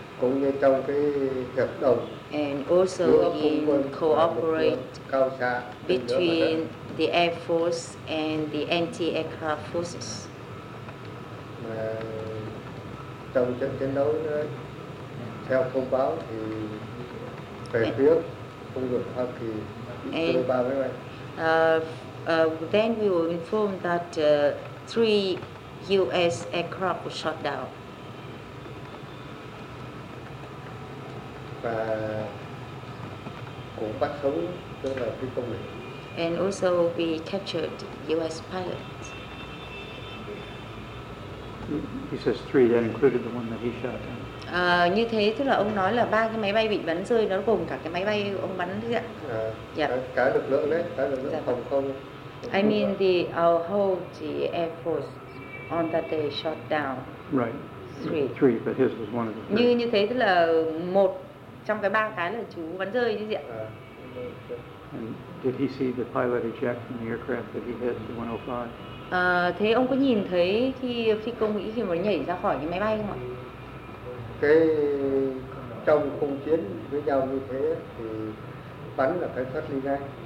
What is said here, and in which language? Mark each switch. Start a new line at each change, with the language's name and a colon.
Vietnamese: Cũng như trong cái hợp đồng
English: and also in cooperate between the Air Force and the anti-aircraft forces.
Vietnamese: Mà trong trận chiến đấu đó, theo thông báo thì về phía không được Hoa Kỳ
English: and,
Vietnamese: ba máy bay.
English: Then we were informed that three U.S. aircraft were shot down.
Vietnamese: Và cũng bắt sống tức là phi công này.
English: And also we captured U.S. pilots. He says three, that included the one that he shot down.
Vietnamese: Như thế tức là ông nói là ba cái máy bay bị bắn rơi nó gồm cả cái máy bay ông bắn đấy ạ. Dạ. Cả lực lượng đấy, cả lực lượng phòng không.
English: I mean the our whole the Air Force on that day shot down. Right. Three. Three, but his was one of the three.
Vietnamese: Như thế tức là một trong cái ba cái là chú bắn rơi chứ gì ạ?
English: And did he see the pilot eject from the aircraft that he hit, the 105?
Vietnamese: Thế ông có nhìn thấy khi phi công Mỹ khi mà nhảy ra khỏi cái máy bay không ạ? Cái trong khung chiến với nhau như thế thì bắn là phải thoát ly ngay.